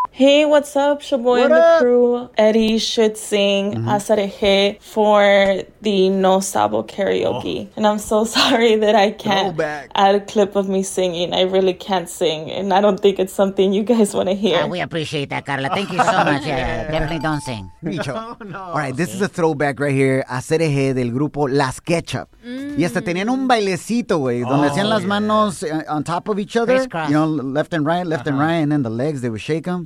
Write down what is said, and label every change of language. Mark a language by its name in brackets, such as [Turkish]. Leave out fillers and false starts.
[English] Hey, what's up, Shaboy and the crew? Eddie should sing Asareje for the No Sabo karaoke. Oh. And I'm so sorry that I can't add a clip of me singing. I really can't sing, and I don't think it's something you guys want to hear. We appreciate that, Carla. Thank you so much. Yeah. Definitely don't sing. Micho. No. All right, this is a throwback right here. [Spanish] Asareje del grupo Las Ketchup. Y hasta tenían un bailecito, güey, donde hacían las manos [English] on top of each other. Crisscross. You know, left and right, left and right, and then the legs, they would shake them.